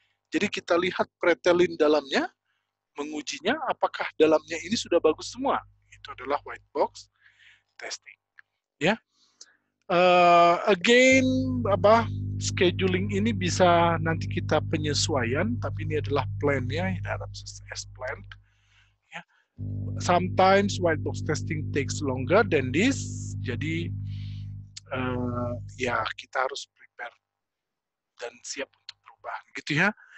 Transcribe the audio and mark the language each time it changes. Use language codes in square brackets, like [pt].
[id] Jadi kita lihat pretelin dalamnya, mengujinya apakah dalamnya ini sudah bagus semua. Itu adalah white box testing. Ya. Again, apa scheduling ini bisa nanti kita penyesuaian, tapi ini adalah plan-nya, [en] as planned. [id] Ya. [en] Sometimes white box testing takes longer than this. [id] Jadi ya kita harus prepare dan siap untuk perubahan gitu ya.